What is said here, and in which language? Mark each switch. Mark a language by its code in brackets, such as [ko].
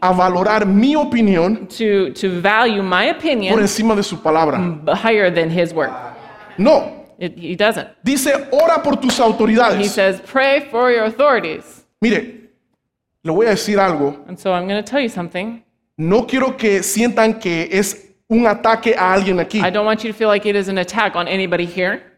[es] a valorar mi opinión [en] to value my opinion [es] por encima de su palabra. [en] Higher than his word. [es] No. [en] He doesn't. [es] Dice, ora por tus autoridades. [en] He says, pray for your authorities. [es] Mire, le voy a decir algo. [en] And so I'm going to tell you something. [es] No quiero que sientan que es un ataque a alguien aquí. [en] I don't want you to feel like it is an attack on anybody here.